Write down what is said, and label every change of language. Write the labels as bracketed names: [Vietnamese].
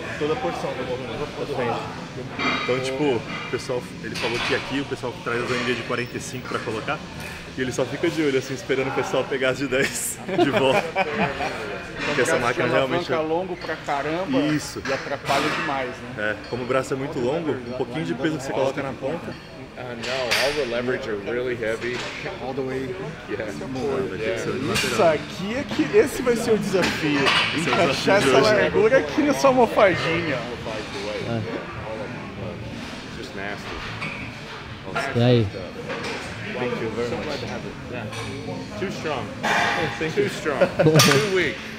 [Portuguese] Toda porção do movimento. Então, tipo, o pessoal, ele falou que aqui o pessoal traz as anilhas de 45 pra colocar. E ele só fica de olho, assim, esperando o pessoal pegar as de 10 de volta. Porque essa máquina realmente... Fica longo pra caramba. Isso. E atrapalha demais, né? É, como o braço é muito longo, um pouquinho de peso que você coloca na ponta. [English] No, all the leverage are really heavy. All the way. Yeah. [Portuguese] Isso aqui é que esse vai ser o desafio. Encaixar essa largura aqui na sua almofadinha. [English] Just nasty. [Portuguese] E aí? [English] Thank you very much. Too strong. Too strong. Too weak.